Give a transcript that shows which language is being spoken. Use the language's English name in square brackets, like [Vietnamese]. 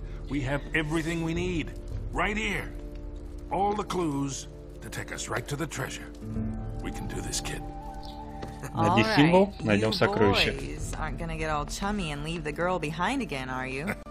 [English] We have everything we need right here. All the clues to take us right to the treasure. We can do this, kid. [Russian] Найди символ, найдем сокровище. [English] Aren't gonna get all chummy and leave the girl behind again, are you?